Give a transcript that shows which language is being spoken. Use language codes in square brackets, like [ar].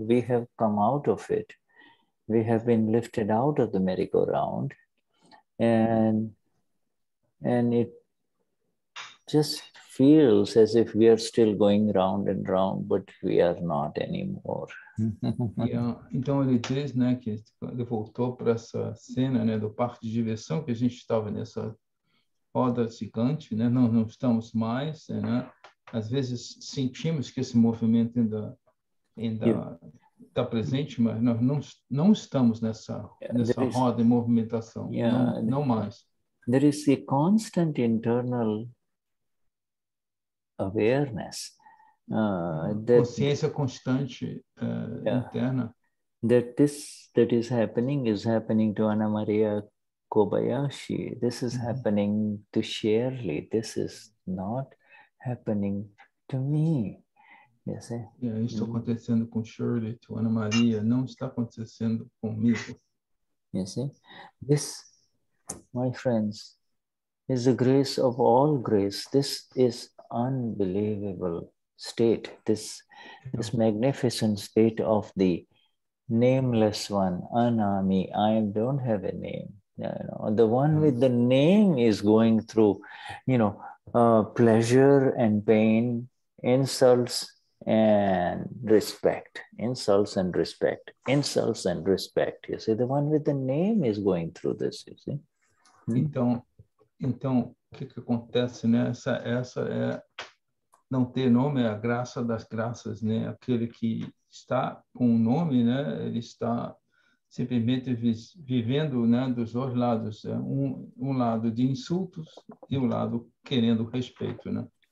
[en] We have come out of it. We have been lifted out of the merry-go-round. And it just feels as if we are still going round and round, but we are not anymore. [pt] Então ele diz, né, que ele voltou para essa cena, né, do parque de diversão, que a gente estava nessa roda gigante, né, não estamos mais, né, às vezes sentimos que esse movimento ainda está presente, mas nós não estamos nessa roda em movimentação, não mais. [en] There is a constant internal awareness. [pt] Consciência constante interna. [en] That is happening to Anna Maria Kobayashi. This is happening to Shirley. This is not happening to me. You see? [pt] Yeah, isso acontecendo com Shirley, to Anna Maria, não está acontecendo comigo. [en] You see? This, my friends, is the grace of all grace. This is unbelievable state, this magnificent state of the nameless one, Anami. I don't have a name, The one with the name is going through, you know, pleasure and pain, insults and respect. You see, the one with the name is going through this, you see. [pt] Então, que acontece, né? Essa é, não ter nome é a graça das graças, né? Aquele que está com o nome, né? Ele está simplesmente vivendo, né, dos dois lados, né? um lado de insultos e um lado querendo respeito, né?